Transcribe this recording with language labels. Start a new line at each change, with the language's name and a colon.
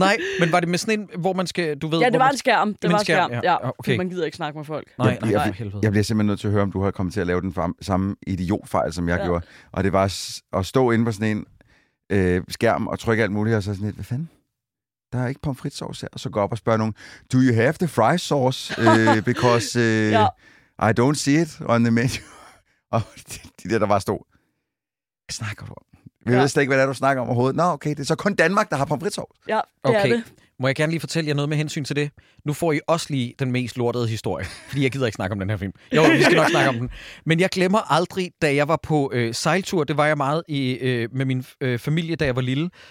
Danish: Nej, men var det med sådan en, hvor man skal, du ved, ja, det var en skærm. Det var en skærm. Ja. Okay. Man gider ikke snakke med folk. Jeg bliver simpelthen nødt til at høre, om du har kommet til at lave den samme idiotfejl som jeg gjorde. Og det var at stå inde på sådan en skærm og trykke alt muligt og så sådan et, hvad fanden? Der er ikke pomfritsauce her. Og så går op og spørger nogen,
English: do you have the fry sauce? Because I don't see it on the menu.
Danish: Og de der bare stod, hvad snakker du om? Vi ved slet ikke, hvad det er, du snakker om overhovedet. Nå, okay, det er så kun Danmark, der har pomfritsauce. Ja, det okay. Er det. Må jeg gerne lige fortælle jer noget med hensyn til det? Nu får I også lige den mest lortede historie, fordi jeg gider ikke snakke om den her film. Jo, vi skal nok snakke om den. Men jeg glemmer aldrig, da jeg var på sejltur. Det var jeg meget med min familie, da jeg var lille.